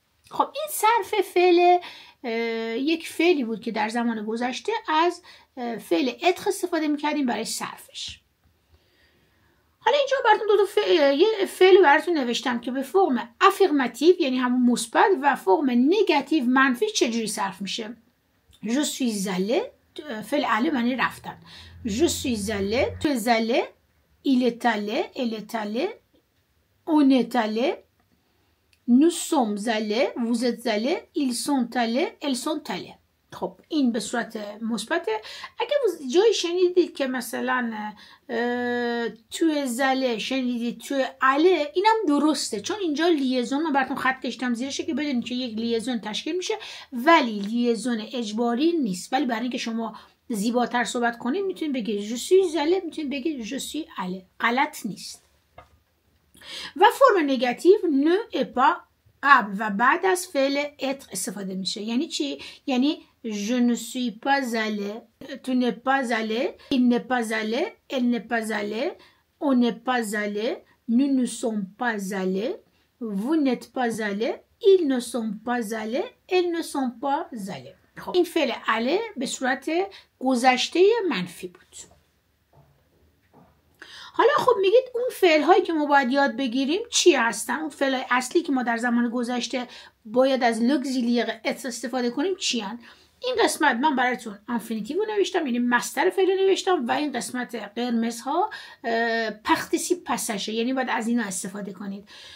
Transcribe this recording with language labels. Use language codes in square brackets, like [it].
[fa] خب این صرف فعل یک فعلی بود که در زمان گذشته از فعل اتخ استفاده میکردیم برای صرفش. حالا اینجا براتون دو فعل براتون نوشتم که به فرم افرماتیو یعنی همون مثبت و فرم نگاتیو منفی چجوری صرف میشه. [fr] Je suis allé، [fa] فعل allé معنی رفتن. [fr] Je suis allé، tu es allé، il est allé، elle est allé، on est allé، nous sommes allé، vous êtes allé، ils sont allé، elles sont allé. [fa] خب این به صورت مثبته. اگه جایی شنیدید که مثلا [fr] tu es allé، [fa] شنیدید tu es allé، اینم درسته، چون اینجا لیزون رو براتون خط کشتم زیرشه که بدونید که یک لیزون تشکیل میشه، ولی لیزون اجباری نیست. ولی برای اینکه شما زیباتر صحبت کنید میتونید بگید [fr] je suis allé، [fa] میتونید بگید je suis allé، غلط نیست. و فرم نگاتیو [fr] ne est pas [fa] قبل و بعد از فعل être استفاده میشه. یعنی چی؟ یعنی [fr] je ne suis pas allé، tu n'es pas allé، il n'est pas allé، elle n'est pas allé، on n'est pas allé، nous ne sommes pas allé، vous n'êtes pas allé، ils ne sont pas allé، elles ne sont pas allé. [fa] خب این فعل allé به صورت گذشته منفی بود. حالا خب میگید اون فعل هایی که ما باید یاد بگیریم چی هستن؟ اون فعل های اصلی که ما در زمان گذشته باید از لوگزیلیق استفاده کنیم چی هستن؟ این قسمت من براتون انفینیتیو رو نوشتم، یعنی مصدر فعل نوشتم، و این قسمت قرمز ها پختسی پسشه، یعنی باید از اینا استفاده کنید.